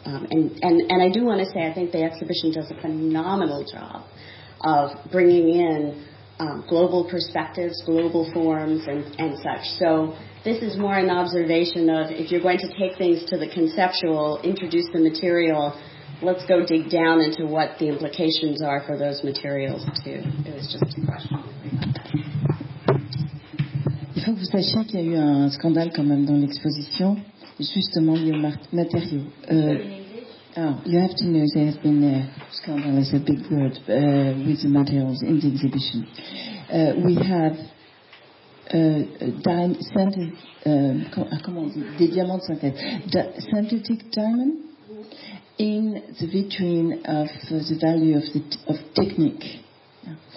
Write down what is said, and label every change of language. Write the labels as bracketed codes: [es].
[en] And I do want to say, I think the exhibition does a phenomenal job of bringing in global perspectives, global forms, and such. So this is more an observation of, if you're going to take things to the conceptual, introduce the material, let's go dig down into what the implications are for those materials, too. It was just a question. [fr] Il faut que vous sachiez qu'il y a eu un scandale quand même dans l'exposition, justement lié aux matériaux. [en] You have to know there has been a scandal, is a big word, with the materials in the exhibition. We have [fr] des diamants de synthèse, [en] synthetic diamond in the vitrine of the value of of technique. Yeah.